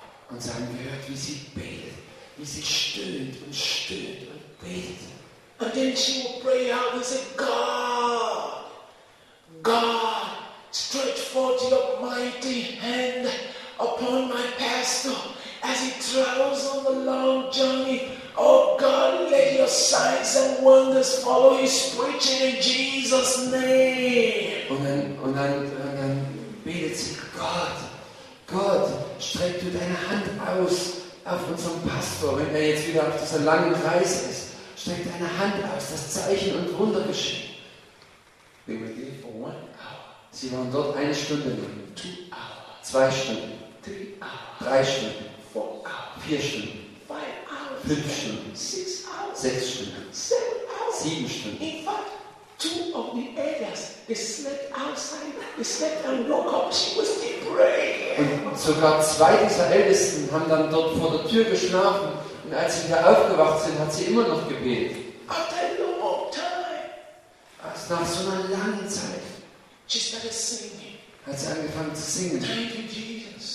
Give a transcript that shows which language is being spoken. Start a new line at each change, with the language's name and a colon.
German: Und sie haben gehört, wie sie betet, wie sie stöhnt und betet.
English: And then she will pray out and say, God, stretch forth your mighty hand upon my pastor as he travels on the long journey. Oh God, let your signs and wonders follow his preaching in Jesus' name.
German: Und dann betet sie, Gott, streck du deine Hand aus auf unseren Pastor, wenn er jetzt wieder auf dieser langen Reise ist. Streck deine Hand aus, dass Zeichen und Wunder geschehen.
English: They were there for 1 hour.
German: Sie waren dort eine Stunde lang.
English: 2 hours.
German: 2 Stunden.
English: 3 hours.
German: 3 Stunden.
English: 4 hours.
German: 4 Stunden. 5 Stunden, 6 Stunden, 7 Stunden.
English: In fact, 2 of the elders, they slept outside, they slept and woke up, she was still praying.
German: Und sogar 2 dieser Ältesten haben dann dort vor der Tür geschlafen und als sie wieder aufgewacht sind, hat sie immer noch gebetet.
English: After a long time,
German: also nach so einer langen Zeit,
English: she started singing.
German: Hat sie angefangen zu singen.
English: Thank you, Jesus.